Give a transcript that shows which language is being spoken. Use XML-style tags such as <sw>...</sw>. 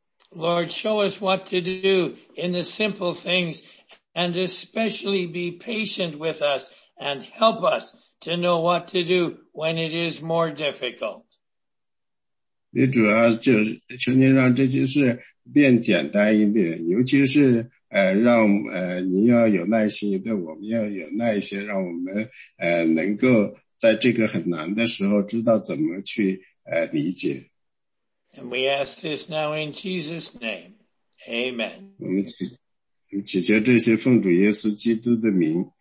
<en>Lord, show us what to do in the simple things and especially be patient with us and help us to know what to do when it is more difficult.</en> <zh>你主要就求您让这件事变简单一点，尤其是让您要有耐心，对我们要有耐心，让我们能够在这个很难的时候知道怎么去理解。</zh> <en>And we ask this now in Jesus' name. Amen.</en> <zh>我们祈求这些奉主耶稣基督的名。</zh>